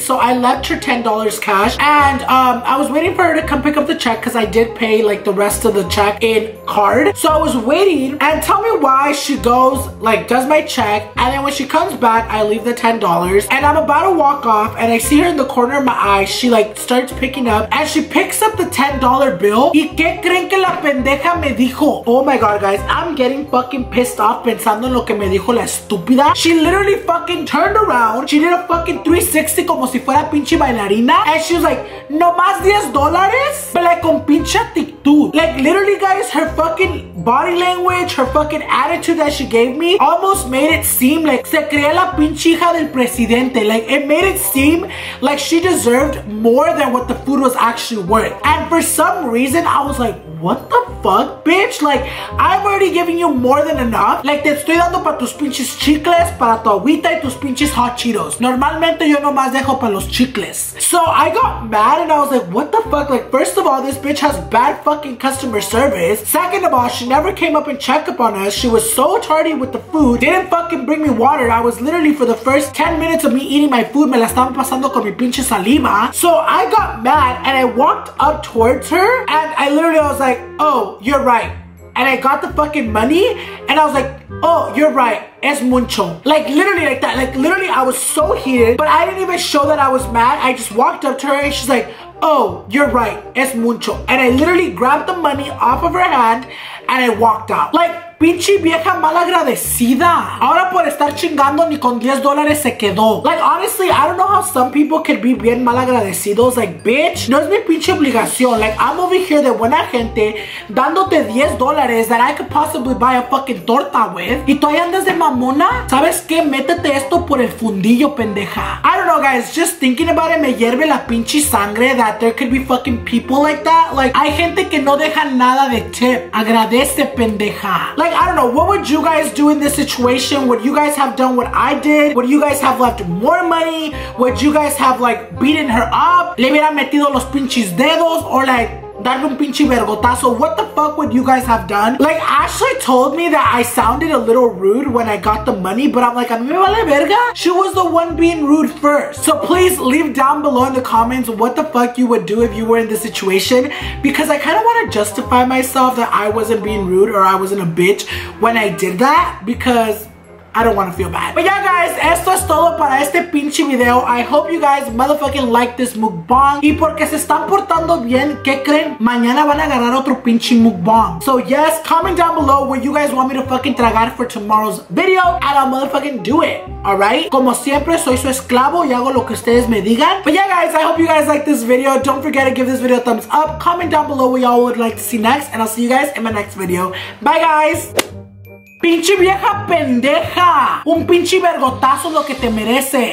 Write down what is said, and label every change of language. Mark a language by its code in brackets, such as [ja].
[en] So I left her $10 cash, and I was waiting for her to come pick up the check, because I did pay like the rest of the check in card. So I was waiting, and tell me why she goes, like, does my check, and then when she comes back, I leave the $10, and I'm about to walk off, and I see her in the corner of my eye. She, like, starts picking up, and she picks up the $10 bill. [es] ¿Y qué creen que la pendeja me dijo? [en] Oh my god, guys, I'm getting fucking pissed off [es] pensando en lo que me dijo la estúpida. [en] She literally fucking turned around. She did a fucking 360 [es] como si fuera pinche bailarina. [en] And she was like, [es] ¿no más 10 dólares? [en] But like, [es] con pinche actitud. [en] Like, literally, guys, her fucking body language, her fucking attitude that she gave me almost made it seem like [es] se creía la pinche hija del presidente. [en] Like, it made it seem like she deserved more than what the food was actually worth. And for some reason, I was like, what the fuck, bitch? Like, I'm already giving you more than enough. [es] Like, te estoy dando para tus pinches chicles, para tu agüita y tus pinches hot Cheetos. Normalmente yo nomás dejo para los chicles. [en] So I got mad and I was like, what the fuck? Like, first of all, this bitch has bad fucking customer service. Second of all, she never came up and checked up on us. She was so tardy with the food. Didn't fucking bring me water. I was literally, for the first 10 minutes of me eating my food, [es] me la estaban pasando con mi pinche saliva. [en] So I got mad and I walked up towards her, and I literally was like, oh, you're right. And I got the fucking money, and I was like, oh, you're right, [es] es mucho. [en] Like, literally like that. Like, literally, I was so heated, but I didn't even show that I was mad. I just walked up to her, and she's like, oh, you're right, [es] es mucho. [en] And I literally grabbed the money off of her hand and I walked out. [es] Like, pinche vieja malagradecida. Ahora por estar chingando ni con 10 dólares se quedó. [en] Like, honestly, I don't know how some people can be [es] bien malagradecidos. [en] Like, bitch, [es] no es mi pinche obligación. [en] Like, I'm over here [es] de buena gente dándote 10 dólares [en] that I could possibly buy a fucking torta with. [es] ¿Y tú ahí andas de mamona? ¿Sabes qué? Métete esto por el fundillo, pendeja. [en] I don't know, guys. Just thinking about it, [es] me hierve la pinche sangre [en] that there could be fucking people like that. [es] Like, hay gente que no deja nada de tip. Agradece, pendeja. [en] Like, I don't know, what would you guys do in this situation? Would you guys have done what I did? Would you guys have left more money? Would you guys have, like, beaten her up? [es] Le hubiera metido los pinches dedos? [en] Or, like, [es] darle un pinche vergotazo? [en] What the fuck would you guys have done? Like, Ashley told me that I sounded a little rude when I got the money, but I'm like, [es] a mí me vale verga? [en] She was the one being rude first. So please leave down below in the comments what the fuck you would do if you were in this situation, because I kind of want to justify myself that I wasn't being rude or I wasn't a bitch when I did that, because I don't want to feel bad. But yeah, guys, [es] esto es todo para este pinche video. [en] I hope you guys motherfucking like this mukbang. [es] Y porque se están portando bien, ¿qué creen? Mañana van a agarrar otro pinche mukbang. [en] So yes, comment down below what you guys want me to fucking tragar for tomorrow's video, and I'll motherfucking do it, alright? [es] Como siempre, soy su esclavo y hago lo que ustedes me digan. [en] But yeah, guys, I hope you guys like this video. Don't forget to give this video a thumbs up. Comment down below what y'all would like to see next, and I'll see you guys in my next video. Bye, guys! [es] ¡Pinche vieja pendeja! Un pinche vergotazo lo que te mereces.